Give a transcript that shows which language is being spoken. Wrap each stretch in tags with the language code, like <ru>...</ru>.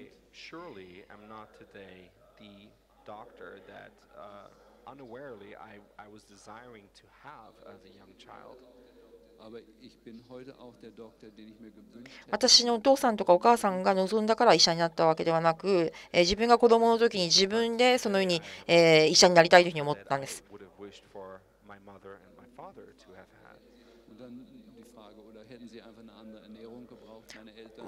<en>Surely am not today the doctor that unawarely I was desiring to have as a young child.</en> <de>Aber ich bin heute auch der Doktor, den ich mir gewünscht hätte.</de> <ja>私のお父さんとかお母さんが望んだから医者になったわけではなく、自分が子供の時に自分でそのように、医者になりたいというふうに思ったんです。</ja> <en>Would have wished for my mother and my father to have had.</en> <de>Und dann die Frage, oder hätten Sie einfach eine andere Ernährung gebraucht, meine Eltern?</de>